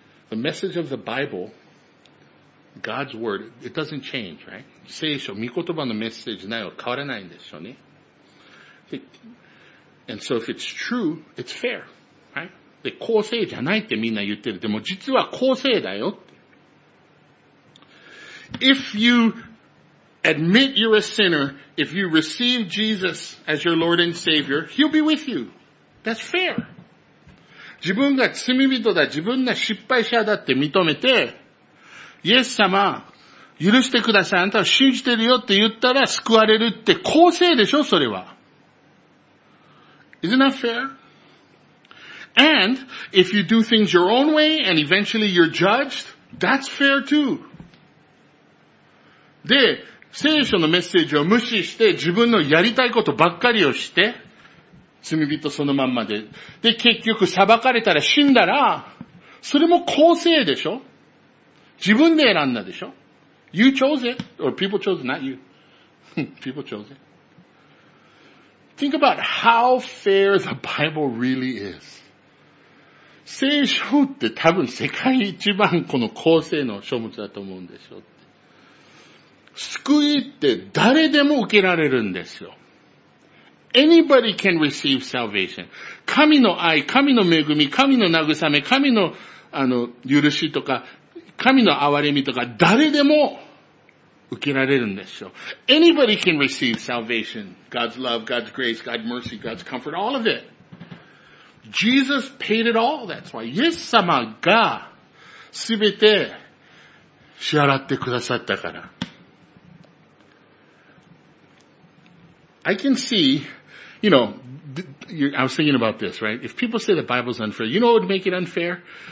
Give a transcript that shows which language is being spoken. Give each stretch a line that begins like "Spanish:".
English: The message of the Bible, God's word, it doesn't change, right?
Japanese: 聖書、御言葉のメッセージ内容変わらないんですよね。
English: And so if it's true, it's fair, right?
Japanese: で、公正じゃないってみんな言ってる。でも実は公正だよって。
English: If you admit you're a sinner, if you receive Jesus as your Lord and Savior, He'll be with you. That's fair.
Japanese: 自分が罪人だ、自分が失敗者だって認めて、イエス様、許してください、あなたは信じてるよって言ったら救われるって公正でしょ、それは。
English: Isn't that fair? And if you do things your own way and eventually you're judged, that's fair too.
Japanese: で、聖書のメッセージを無視して自分のやりたいことばっかりをして、罪人そのまんまで。で、結局裁かれたら死んだら、それも公正でしょ？自分で選んだでしょ
English: ?You chose it, or people chose it, not you. People chose it. Think about how fair the Bible really is.
Japanese: 聖書って多分世界一番この公正の書物だと思うんでしょ。救いって誰でも受けられるんですよ。
English: Anybody can receive salvation.
Japanese: 神の愛、神の恵み、神の慰め、神の、許しとか、神の憐れみとか、誰でも受けられるんですよ。
English: Anybody can receive salvation. God's love, God's grace, God's mercy, God's comfort, all of it. Jesus paid it all, that's why.
Japanese: イエス様が、すべて、支払ってくださったから。
English: I can see, you know, I was thinking about this, right? If people say the Bible's unfair, you know what would make it unfair?